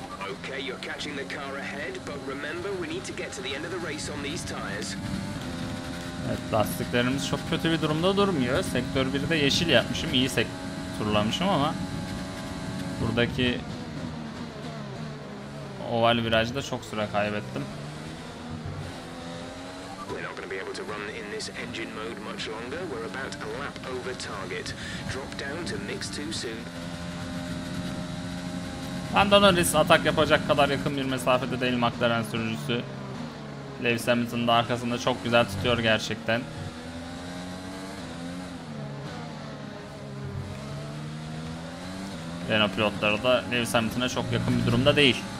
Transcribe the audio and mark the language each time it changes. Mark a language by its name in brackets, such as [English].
[English] Okay, you're catching the car ahead, but remember we need to get to the end of the race on these tires. [Turkish] Evet, lastiklerimiz çok kötü bir durumda durmuyor. Sektör 1'de yeşil yapmışım, iyi turlamışım ama buradaki oval virajda çok süre kaybettim. [English] We're not going to be able to run in this engine mode much longer. We're about a lap over target. Drop down to mix too soon. [Turkish] Lando Norris atak yapacak kadar yakın bir mesafede değil McLaren sürücüsü. Lewis Hamilton da arkasında çok güzel tutuyor gerçekten. Renault pilotları da Lewis Hamilton'a çok yakın bir durumda değil.